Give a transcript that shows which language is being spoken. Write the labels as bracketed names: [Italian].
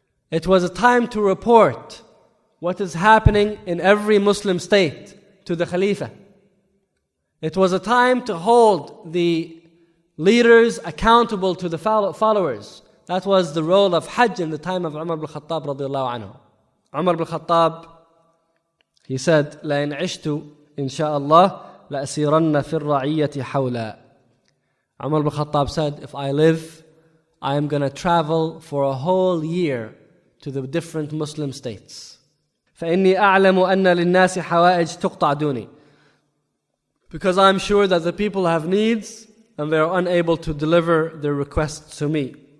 [English] It was a time to report what is happening in every Muslim state to the Khalifa. It was a time to hold the leaders accountable to the followers. That was the role of Hajj in the time of Umar ibn Khattab radiallahu anhu. Umar ibn Khattab, he said, [Arabic] لَإِنْ عِشْتُ إِنْ شَاءَ اللَّهِ لَأَسِيرَنَّ فِي الرَّعِيَّةِ حَوْلًا. [English] Umar ibn Khattab said, if I live, I am going to travel for a whole year to the different Muslim states. [Arabic] فَإِنِّي أَعْلَمُ أَنَّ لِلنَّاسِ حَوَائِجْ تُقْطَعْ دُونِي. [English] Because I'm sure that the people have needs and they are unable to deliver their requests to me.